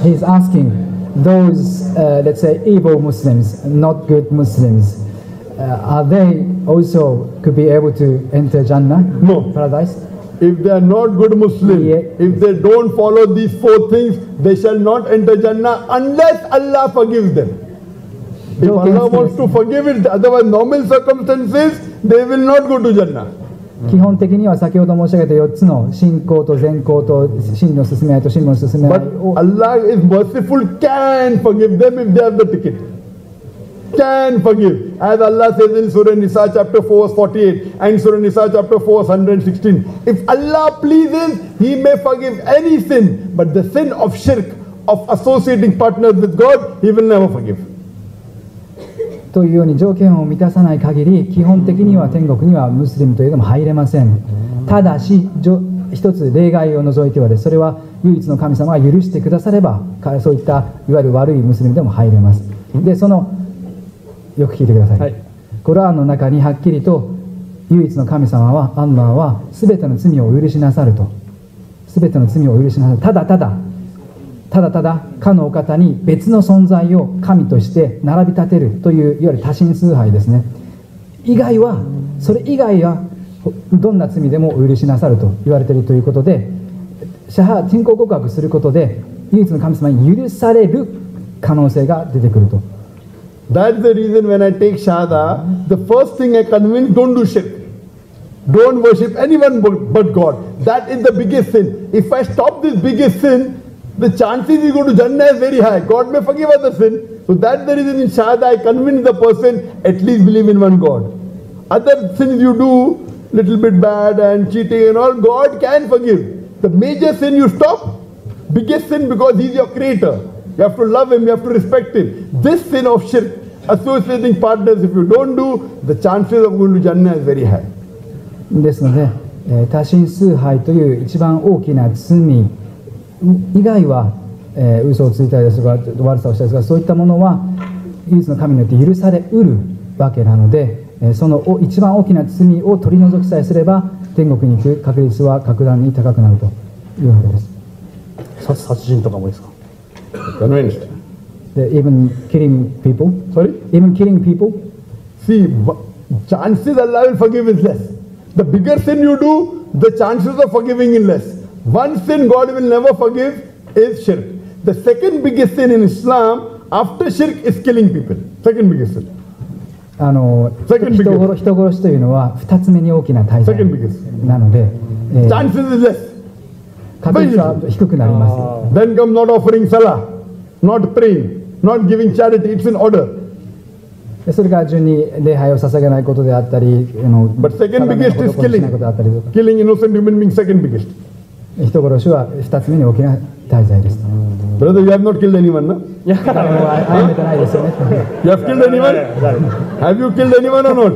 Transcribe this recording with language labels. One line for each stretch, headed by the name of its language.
English: He's asking those, let's say, evil Muslims, not good Muslims, are they also could be able to enter Jannah? No. Paradise? If they are not good Muslims, if they don't follow these four things, they shall not enter Jannah unless Allah forgives them. If Allah wants to forgive it, otherwise normal circumstances, they will not go to Jannah.
Japanese: 基本的には先ほど申し上げた4つの信仰と善行と真の進め合いと真の進め合い。
English: But Allah is merciful, can forgive them if they have the ticket. Can forgive. As Allah says in Surah Nisa chapter 4 verse 48 and Surah Nisa chapter 4 verse 116. If Allah pleases, He may forgive any sin, but the sin of shirk, of associating partners with God, He will never forgive.
Japanese: というように条件を満たさない限り基本的には天国にはムスリムというのも入れません。ただし一つ例外を除いてはです、それは唯一の神様が許してくだされば、そういったいわゆる悪いムスリムでも入れます。でそのよく聞いてください、はい、コラーンの中にはっきりと唯一の神様はアンナーは全ての罪を許しなさると、全ての罪を許しなさる、ただただただただかのお方に別の存在を神として並び立てるといういわゆる多神崇拝ですね、以外はそれ以外はどんな罪でもお許しなさると言われているということで、シャハ信仰告白することで唯一の神様に許される可能性が出てくると。
English: That's the reason when I take shahada, the first thing I convince, don't do shirk, don't worship anyone but God. That is the biggest sin. If I stop this biggest sinThe chances you go to Jannah is very high. God may forgive other sin. So that's the reason in Shahada I convince the person at least believe in one God. Other sins you do, little bit bad and cheating and all, God can forgive. The major sin you stop, biggest sin, because He's your creator. You have to love Him, you have to respect Him. This sin of shirk, associating partners, if you don't do, the chances of going to Jannah is very high.
Japanese: ですので、多神崇拝という一番大きな罪以外は、嘘をついたりですとかちょっと悪さをしたりとか、そういったものは唯一の神によって許されうるわけなので、その一番大きな罪を取り除きさえすれば天国に行く確率は格段に高くなるというわけです。殺人とかもですか。
English: Even killing people? Sorry? Even killing people? See, chances Allah will forgive is less. The bigger sin you do, the chances of forgiving is lessOne sin God will never forgive is shirk. The second biggest sin in Islam after shirk is killing people. Second biggest sin. Second biggest.
Japanese: 人殺しというのは2つ目に大きな大罪。
English: Second biggest.
Japanese: なので、
English: chances is less.
Japanese: 確率は低くなります。
English: Then come not offering salah, not praying, not giving charity. It's in order.
Japanese: それから順に礼拝を捧げないことであったり、
English: But second biggest is killing. Killing innocent human beings, second biggest.
Japanese: 人殺しは二つ目に大きな大罪です。
English: Brother, you have not killed anyone, no? Yeah, I have not. You have killed anyone? Have you killed anyone or not?